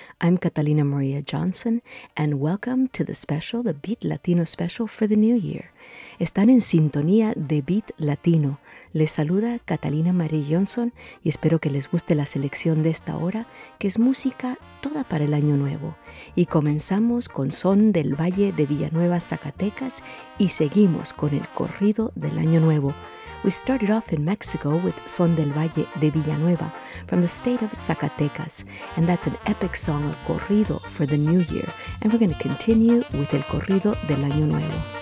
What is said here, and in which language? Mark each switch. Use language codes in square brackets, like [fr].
[en] I'm Catalina Maria Johnson, and welcome to the special, the Beat Latino special for the new year. [es] Están en sintonía de Beat Latino. Les saluda Catalina Maria Johnson, y espero que les guste la selección de esta hora, que es música toda para el año nuevo. Y comenzamos con son del Valle de Villanueva, Zacatecas, y seguimos con el corrido del año nuevo. [en] We started off in Mexico with Son del Valle de Villanueva from the state of Zacatecas, and that's an epic song of corrido for the new year, and we're going to continue with El Corrido del Año Nuevo.